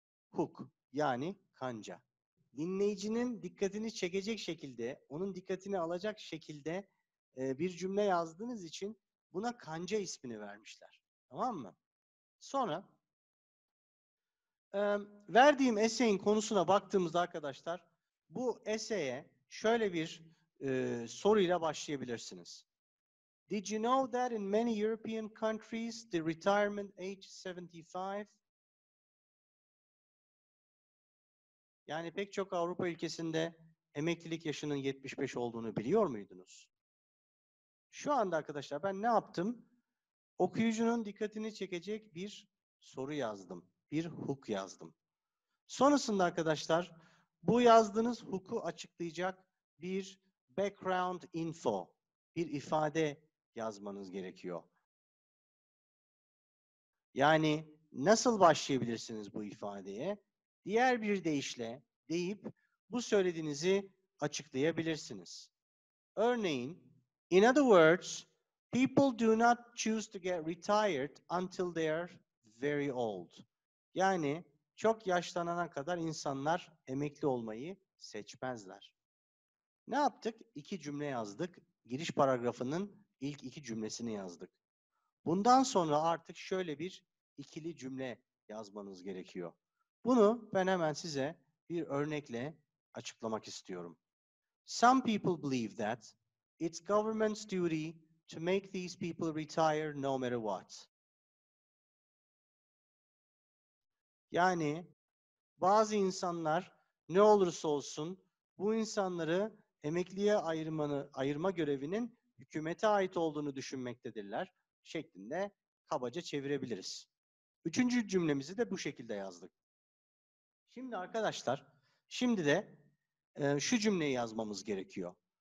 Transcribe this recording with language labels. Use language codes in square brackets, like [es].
[tr] Hook, yani kanca. Dinleyicinin dikkatini çekecek şekilde, onun dikkatini alacak şekilde bir cümle yazdığınız için buna kanca ismini vermişler. Tamam mı? Sonra verdiğim essay'in konusuna baktığımızda arkadaşlar, bu essay'e şöyle bir soruyla başlayabilirsiniz. [en] Did you know that in many European countries the retirement age 75? [tr] Yani pek çok Avrupa ülkesinde emeklilik yaşının 75 olduğunu biliyor muydunuz? Şu anda arkadaşlar ben ne yaptım? Okuyucunun dikkatini çekecek bir soru yazdım. Bir hook yazdım. Sonrasında arkadaşlar bu yazdığınız hook'u açıklayacak bir background info, bir ifade yazmanız gerekiyor. Yani nasıl başlayabilirsiniz bu ifadeye? Diğer bir deyişle deyip bu söylediğinizi açıklayabilirsiniz. Örneğin, [en] in other words, people do not choose to get retired until they are very old. [tr] Yani çok yaşlanana kadar insanlar emekli olmayı seçmezler. Ne yaptık? İki cümle yazdık. Giriş paragrafının ilk iki cümlesini yazdık. Bundan sonra artık şöyle bir ikili cümle yazmanız gerekiyor. Bunu ben hemen size bir örnekle açıklamak istiyorum. [en] Some people believe that it's government's duty to make these people retire no matter what. [tr] Yani bazı insanlar ne olursa olsun bu insanları emekliye ayırma görevinin hükümete ait olduğunu düşünmektedirler şeklinde kabaca çevirebiliriz. Üçüncü cümlemizi de bu şekilde yazdık. Şimdi arkadaşlar, şimdi de şu cümleyi yazmamız gerekiyor.